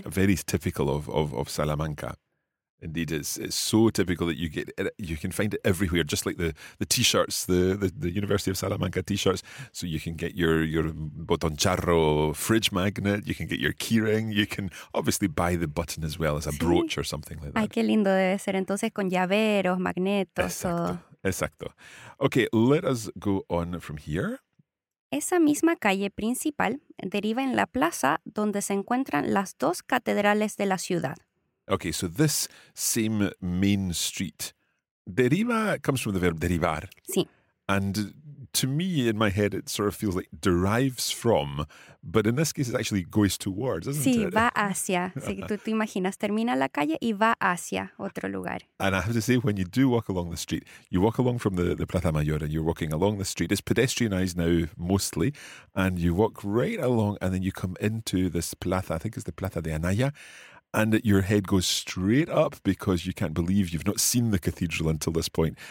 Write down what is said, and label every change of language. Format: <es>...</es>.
<en>Very typical of Salamanca. Indeed, it's so typical that you can find it everywhere, just like the t-shirts, the University of Salamanca t-shirts. So you can get your botón charro fridge magnet, you can get your keyring, you can obviously buy the button as well as a</en> <es>sí.</es> <en>Brooch or something like that.</en> <es>Ay, qué lindo debe ser entonces con llaveros, magnetos. Exacto, exacto.</es> <en>Okay, let us go on from here.</en> <es>Esa misma calle principal deriva en la plaza donde se encuentran las dos catedrales de la ciudad.</es> <en>Okay, so this same main street, deriva comes from the verb derivar.</en> <es>Sí.</es> <en>And to me, in my head, it sort of feels like derives from, but in this case, it actually goes towards, isn't</en> <es>it? Sí, va hacia. Si tú te imaginas, termina la calle y va hacia otro lugar.</es> <en>And I have to say, when you do walk along the street, you walk along from the Plaza Mayor and you're walking along the street, it's pedestrianized now mostly, and you walk right along and then you come into this plaza, I think it's the Plaza de Anaya, and your head goes straight up because you can't believe you've not seen the cathedral until this point.</en>